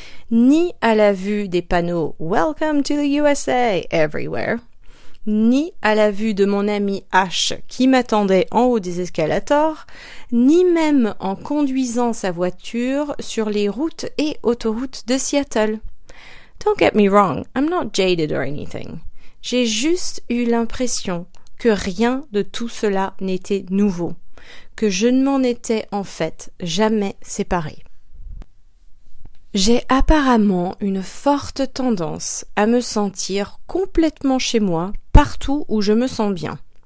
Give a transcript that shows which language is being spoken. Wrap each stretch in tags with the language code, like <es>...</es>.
<fr>Ni à la vue des panneaux «</fr> <en>Welcome to the USA everywhere</en> <fr>», ni à la vue de mon ami H qui m'attendait en haut des escalators, ni même en conduisant sa voiture sur les routes et autoroutes de Seattle.</fr> <en>Don't get me wrong, I'm not jaded or anything.</en> <fr>J'ai juste eu l'impression que rien de tout cela n'était nouveau, que je ne m'en étais en fait jamais séparée. J'ai apparemment une forte tendance à me sentir complètement chez moi partout où je me sens bien.</fr>